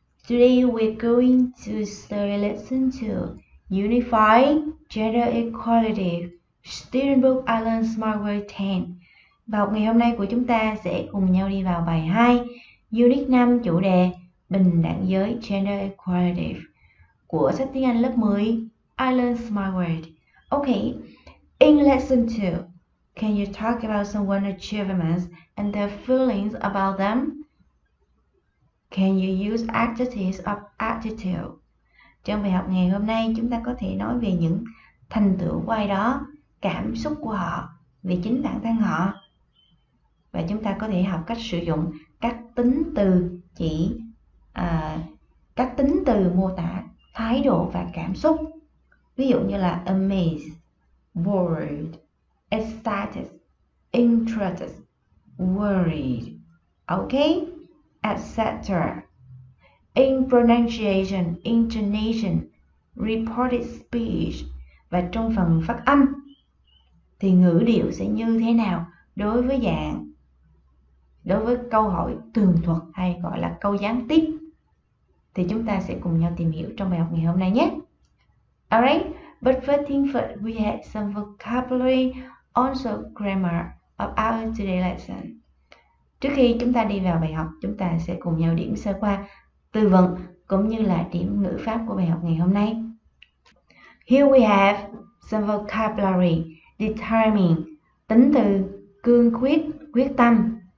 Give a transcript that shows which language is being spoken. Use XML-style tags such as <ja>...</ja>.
<en>Today we're going to study lesson 2, Unifying Gender Equality, Student Book Alan Smart 10.</en> <vi>Và học ngày hôm nay của chúng ta sẽ cùng nhau đi vào bài 2, Unit 5 chủ đề Bình đẳng giới Gender Equality của sách tiếng Anh lớp 10, Alan Smart.</vi> <en>Okay, in lesson 2, can you talk about someone's achievements and their feelings about them? Can you use adjectives of attitude?</en> <vi>Trong bài học ngày hôm nay, chúng ta có thể nói về những thành tựu của ai đó, cảm xúc của họ, về chính bản thân họ. Và chúng ta có thể học cách sử dụng các tính từ chỉ, các tính từ mô tả thái độ và cảm xúc. Ví dụ như là amazed, bored, excited, interested, worried, okay, etc.</vi> <en>In pronunciation, intonation, reported speech</en> <vi>và trong phần phát âm thì ngữ điệu sẽ như thế nào đối với dạng, đối với câu hỏi tường thuật hay gọi là câu gián tiếp thì chúng ta sẽ cùng nhau tìm hiểu trong bài học ngày hôm nay nhé.</vi> <en>Alright, but first thing first, we have some vocabulary. Also grammar of our today lesson.</en> <vi>Trước khi chúng ta đi vào bài học, chúng ta sẽ cùng nhau điểm sơ qua từ vựng cũng như là điểm ngữ pháp của bài học ngày hôm nay.</vi> <en>Here we have some vocabulary determine,</en> <vi>tính từ cương quyết, quyết tâm.</vi>